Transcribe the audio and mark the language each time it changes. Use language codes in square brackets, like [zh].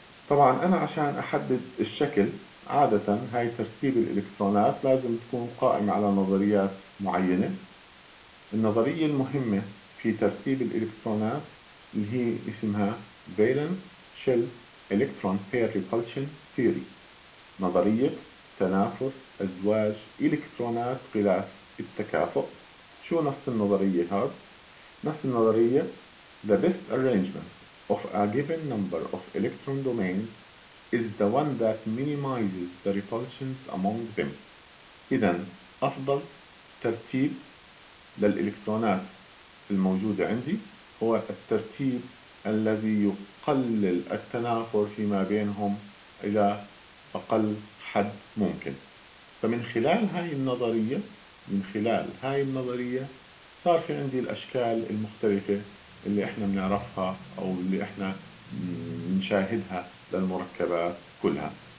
[ar] طبعا انا عشان احدد الشكل عادة هاي ترتيب الالكترونات لازم تكون قائمة على نظريات معينة. النظرية المهمة في ترتيب الالكترونات اللي هي اسمها Valence Shell Electron Pair Repulsion Theory، نظرية تنافر ازواج الكترونات غلاف التكافؤ. شو نفس النظرية هاد؟ نفس النظرية [en] The best arrangement of a given number of electron domains is the one that minimizes the repulsions among them. [ar] إذا أفضل ترتيب للإلكترونات الموجودة عندي هو الترتيب الذي يقلل التنافر فيما بينهم إلى أقل حد ممكن. فمن خلال هاي النظرية، من خلال هاي النظرية صار في عندي الأشكال المختلفة اللي إحنا بنعرفها أو اللي إحنا بنشاهدها للمركبات كلها.